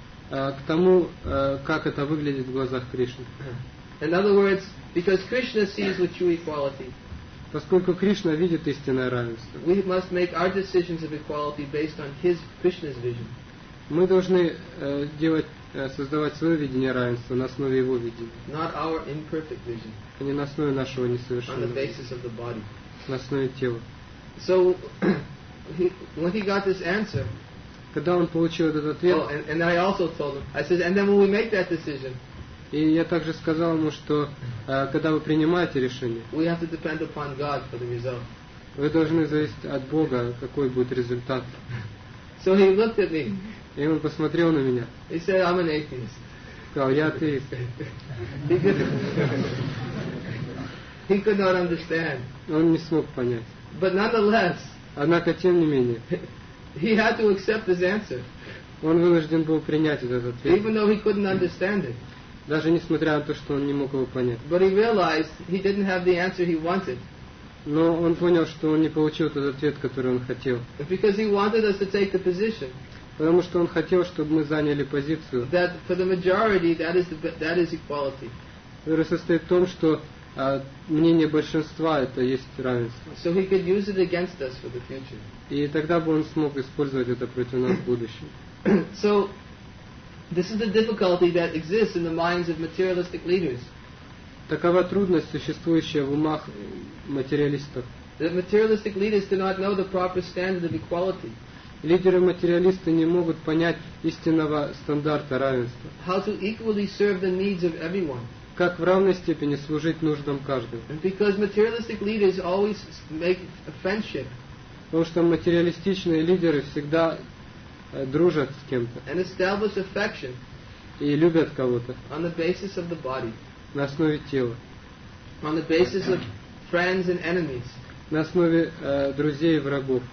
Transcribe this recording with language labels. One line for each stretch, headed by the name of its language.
Russian: к тому, как это выглядит в глазах Кришны.
English: In other words, because Krishna sees with true equality.
Russian: Поскольку Кришна видит истинное равенство,
English: we must make our decisions of equality based on his Krishna's vision.
Russian: Мы должны создавать свое видение равенства на основе его видения.
English: Not our imperfect vision.
Russian: А не на основе нашего несовершенного.
English: On the basis of the body.
Russian: На основе тела.
English: So when he got this answer,
Russian: когда он получил этот ответ,
English: and I also told him, I said, and then when we make that decision.
Russian: И я также сказал ему, что когда вы принимаете решение,
English: we have to depend upon God for the result.
Russian: Вы должны зависеть от Бога, какой будет результат.
English: So he looked at me.
Russian: И он посмотрел на меня.
English: He said, I'm an atheist.
Russian: Сказал, я атеист.
English: He could not understand.
Russian: Он не смог понять.
English: But nonetheless,
Russian: однако, тем не менее,
English: he had to accept his answer.
Russian: Он вынужден был принять этот ответ.
English: Even though he couldn't understand it.
Russian: даже несмотря на то, что он не мог его понять.
English: But he realized he didn't have the answer he wanted.
Russian: Но он понял, что он не получил тот ответ, который он хотел.
English: Because he wanted us to take the position.
Russian: Потому что он хотел, чтобы мы заняли позицию.
English: That for the majority that is equality.
Russian: Которая состоит в том, что мнение большинства это есть равенство.
English: So he could use it against us for the future.
Russian: И тогда бы он смог использовать это против нас в будущем.
English: So this is the difficulty that exists in the minds of materialistic leaders.
Russian: Такова трудность, существующая в умах материалистов.
English: That materialistic leaders do not know the proper standard of equality.
Russian: Лидеры-материалисты не могут понять истинного стандарта равенства.
English: How to equally serve the needs of everyone.
Russian: Как в равной степени служить нуждам каждого.
English: And because materialistic leaders always make a friendship.
Russian: Потому что материалистичные лидеры всегда дружат с кем-то.
English: And establish affection.
Russian: И любят кого-то.
English: On the basis of the body.
Russian: На основе тела.
English: On the basis of friends and enemies.
Russian: На основе друзей и врагов.